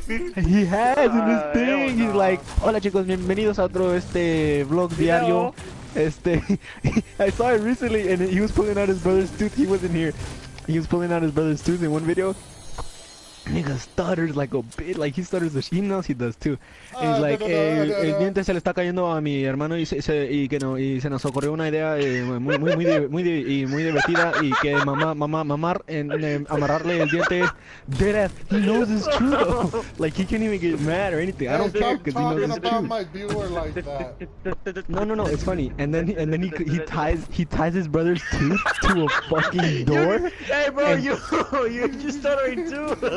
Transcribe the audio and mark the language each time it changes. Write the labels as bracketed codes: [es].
[en] He has in his thing. He's like, [es] "Hola chicos, bienvenidos a otro este vlog diario." [en] Este, I saw it recently, and he was pulling out his brother's tooth. He wasn't here. He was pulling out his brother's tooth in one video. Nigga stutters like a bit, like he stutters the shit. He knows he does too. And he's like, [es] el diente se le está cayendo a mi hermano y que no, y se nos ocurrió una idea muy divertida y que mamar en amarrarle el diente. [en] Deadass, he knows it's true though. Like he can't even get mad or anything. I don't care because he knows it's true. My viewer like that. No, it's funny. And then he ties his brother's tooth to a fucking door. Hey bro, you're just stuttering too.